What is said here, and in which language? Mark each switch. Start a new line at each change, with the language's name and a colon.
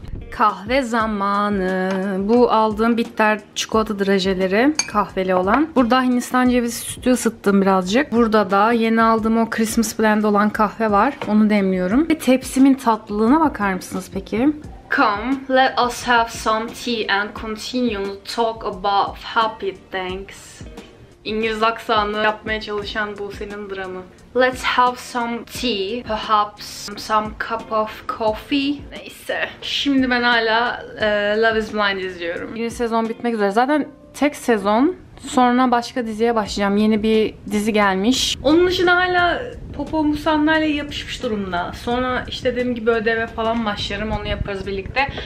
Turkish: Kahve zamanı. Bu aldığım bitter çikolata drajeleri. Kahveli olan. Burada Hindistan cevizi sütü ısıttım birazcık. Burada da yeni aldığım o Christmas blend olan kahve var. Onu demliyorum. Ve tepsimin tatlılığına bakar mısınız peki?
English: Come, let us have some tea and continue to talk about happy things.
Turkish: İngiliz aksanı yapmaya çalışan Buse'nin dramı.
English: Let's have some tea, perhaps some cup of coffee.
Turkish: Neyse. Şimdi ben hala Love is Blind izliyorum. Yeni sezon bitmek üzere. Zaten tek sezon. Sonra başka diziye başlayacağım. Yeni bir dizi gelmiş. Onun için hala popo musanlarla yapışmış durumda. Sonra işte dediğim gibi ödeme falan başlarım. Onu yaparız birlikte.